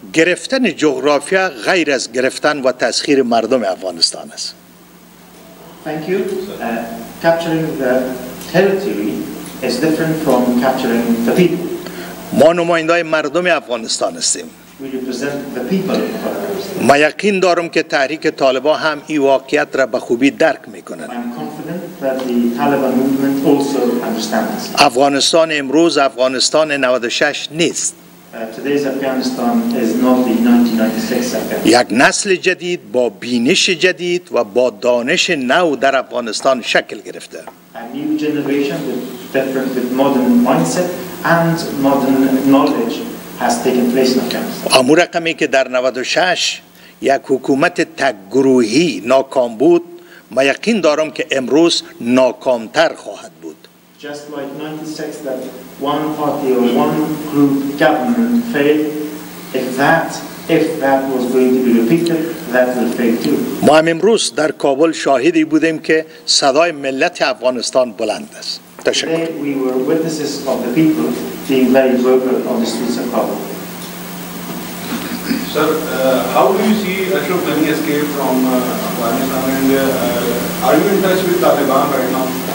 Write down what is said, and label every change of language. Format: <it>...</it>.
<fa>گرفتن جغرافیا غیر از گرفتن و تسخیر مردم افغانستان است.</fa> <en>Thank you. Capturing the territory is different from capturing the people.</en> <fa>ما نمایندگان مردم افغانستان هستیم.</fa> <en>We represent the people of Afghanistan.</en> <fa>من یقین دارم که تحریک طالبان هم این واقعیت را به خوبی درک میکنند.</fa> <en>I'm confident that the Taliban movement also understands.</en> <fa>افغانستان امروز افغانستان 96 نیست.</fa> <en>Today's Afghanistan is not the 1996 Afghanistan.</en> <fa>یک نسل جدید با بینش جدید و با دانش نو در افغانستان شکل گرفته.</fa> <en>A new generation with different with modern mindset and modern knowledge has taken place in Afghanistan.</en> <fa>امور رقمی که در 96 یک حکومت تک گروهی ناکام بود، ما یقین دارم که امروز ناکامتر خواهد بود.</fa> <en>Just like 96 that one party or one group government failed, if that was going to be repeated, that will fail too.</en> <fa>ما هم امروز در کابل شاهدی بودیم که صدای ملت افغانستان بلند است. تشکر.</fa> <en>Today we were witnesses of the people being very vocal on the streets of Kabul. Sir, how do you see Ashraf Ghani escape from Afghanistan, and are you in touch with Taliban right now?</en>